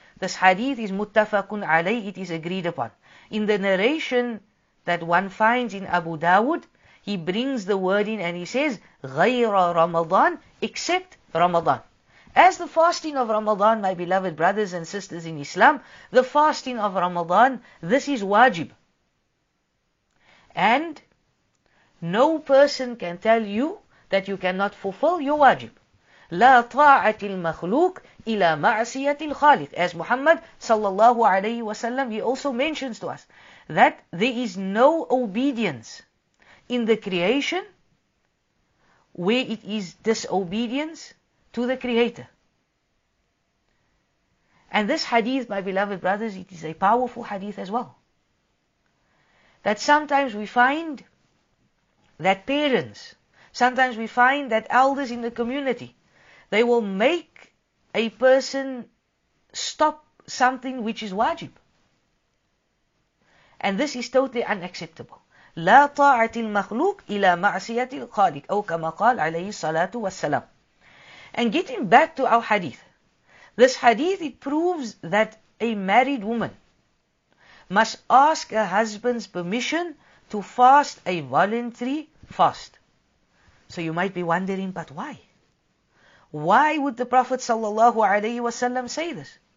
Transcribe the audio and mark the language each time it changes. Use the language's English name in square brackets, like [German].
[English] This hadith is muttafaqun alayh, it is agreed upon. In the narration that one finds in Abu Dawud, he brings the word in and he says, [Arabic] غَيْرَ رَمَضَان, [English] except Ramadan. As the fasting of Ramadan, my beloved brothers and sisters in Islam, the fasting of Ramadan, this is wajib. And no person can tell you that you cannot fulfill your wajib. [Arabic] لا طاعة المخلوق إلى معصية الخالق. [English] As Muhammad sallallahu alayhi wa sallam, he also mentions to us that there is no obedience in the creation where it is disobedience to the Creator. And this hadith, my beloved brothers, it is a powerful hadith as well. That sometimes we find that parents, sometimes we find that elders in the community, they will make a person stop something which is wajib. And this is totally unacceptable. [Arabic] لا طاعة المخلوق إلى معصية الخالق أو كما قال عليه الصلاة والسلام. [English] And getting back to our hadith, this hadith, it proves that a married woman must ask her husband's permission to fast a voluntary fast. So you might be wondering, but why? Why would the Prophet sallallahu alaihi wasallam say this?